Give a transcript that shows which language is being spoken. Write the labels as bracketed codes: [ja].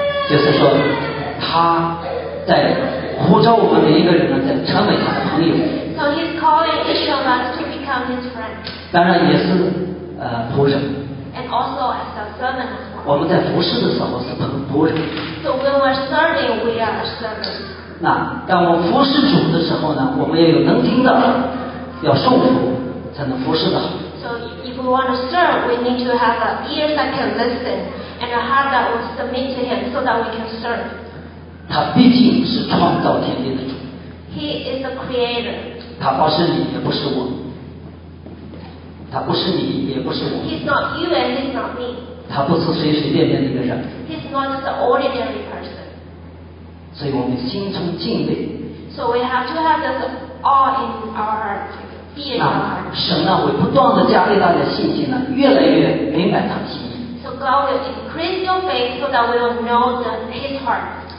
[zh] 就是说，他在呼召我们每一个人呢，在成为他的朋友。 [en] So He's calling each of us to become His friend. [zh] 当然也是仆人。 [en] And also as a servant as well. [zh] 我们在服侍的时候是仆人。 [en] So when we're serving, we are a servant. [zh] 那当我服侍主的时候呢，我们也有能听的。要受服才能服侍的好。 [en] So if we want to serve, we need to have an ear that can listen and a heart that will submit to Him so that we can serve. [zh] 他毕竟是创造天地的主。 [en] He is the creator. [zh] 他不是你，也不是我。他不是你，也不是我。 [en] He's not you and He's not me. [zh] 他不是随随便便的一个人。 [en] He's not just an ordinary person. [zh] 所以我们心中敬畏。 [en] So we have to have the awe in our heart. [zh] 神呢会不断的加给大家信心呢，越来越明白他的心意。 [en] So God will increase your faith so that we will know His heart.